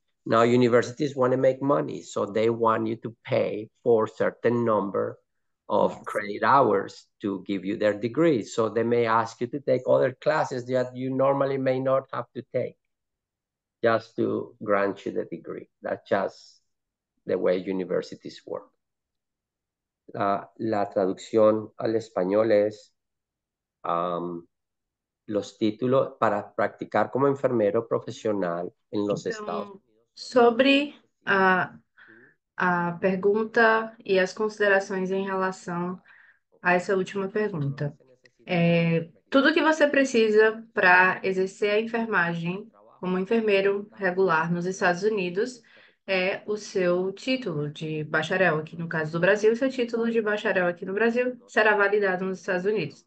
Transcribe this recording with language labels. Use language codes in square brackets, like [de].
[en] Now, universities want to make money, so they want you to pay for a certain number of credit hours to give you their degree. So they may ask you to take other classes that you normally may not have to take just to grant you the degree. That's just the way universities work. [es] La traducción al español es los títulos para practicar como enfermero profesional en los Estados Unidos. [pt] Sobre a pergunta e as considerações em relação a essa última pergunta. Tudo que você precisa para exercer a enfermagem como enfermeiro regular nos Estados Unidos é o seu título de bacharel aqui no caso do Brasil, seu título de bacharel aqui no Brasil será validado nos Estados Unidos.